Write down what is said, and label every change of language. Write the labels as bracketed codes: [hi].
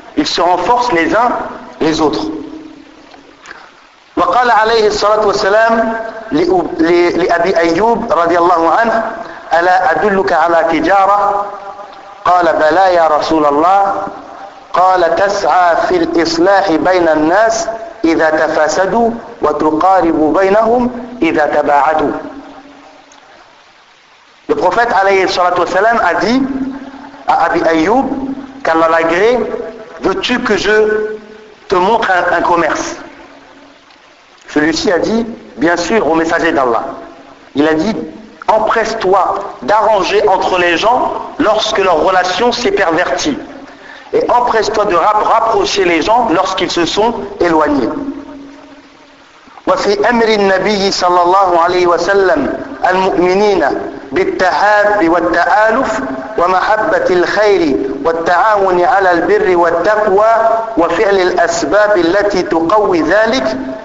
[fr] Ils se renforcent les uns les autres. [ar] وقال عليه الصلاة والسلام لأبي أيوب رضي الله عنه ألا أدلك على تجارة قال بلى يا رسول الله قال تسعى في الإصلاح بين الناس إذا تفاسدوا وتقارب بينهم إذا تباعدوا. [fr] Le prophète [ar] عليه الصلاة والسلام [fr] a dit à Abi Ayyub qu'Allah l'agré, veux-tu que je te montre un commerce? Celui-ci a dit, bien sûr, au messager d'Allah. Il a dit, empresse-toi d'arranger entre les gens lorsque leur relation s'est pervertie. Et empresse-toi de rapprocher les gens lorsqu'ils se sont éloignés. [ar] وفي أمر النبي صلى الله عليه وسلم المؤمنين بالتحاب والتآلف ومحبة الخير والتعاون على البر والتقوى وفعل الأسباب التي تقوي ذلك